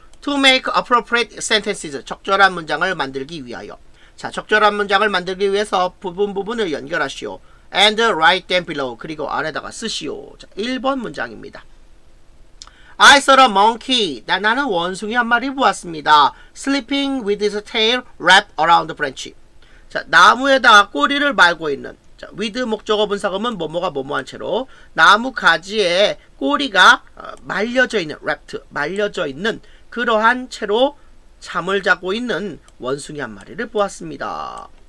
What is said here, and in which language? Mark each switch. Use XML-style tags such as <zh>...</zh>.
<en>To make appropriate sentences.</en> <ko>적절한 문장을 만들기 위하여. 자, 적절한 문장을 만들기 위해서 부분 부분을 연결하시오.</ko> <en>And write them below.</en> <ko>그리고 아래다가 쓰시오. 자, 1번 문장입니다.</ko> <en>I saw a monkey.</en> <ko>나는 원숭이 한 마리 보았습니다.</ko> <en>Sleeping with his tail wrapped around the branch.</en> <ko>자, 나무에다가 꼬리를 말고 있는. 자, with 목적어 분사금은 뭐뭐가 뭐뭐한 채로 나무 가지에 꼬리가 말려져 있는 wrapped 말려져 있는 그러한 채로 잠을 자고 있는 원숭이 한 마리를 보았습니다.</ko>